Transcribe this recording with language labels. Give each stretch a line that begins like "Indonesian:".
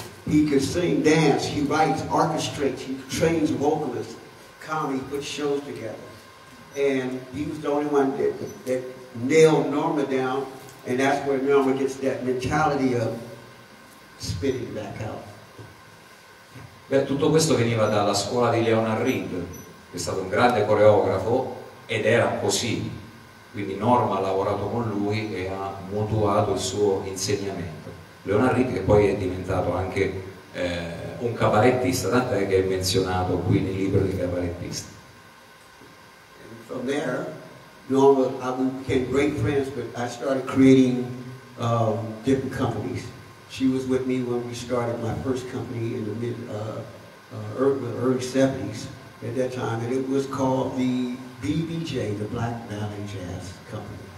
English: He can sing, dance, he writes, orchestrates, he trains vocalists, comedy, puts shows together. And he was the only one that nailed Norma down, and that's where Norma gets that mentality of spitting back out.
Italian: Beh, tutto questo veniva dalla scuola di Leonard Reed, che è stato un grande coreografo, ed era così. Quindi Norma ha lavorato con lui e ha mutuato il suo insegnamento. Leonard Rigg, che poi è diventato anche un cabarettista, tant'è che è menzionato qui nel libro dei cabarettisti.
English: And from there, Norma, I became great friends, but I started creating different companies. She was with me when we started my first company in the early 70s at that time, and it was called the BBJ, the Black Ballet Jazz Company.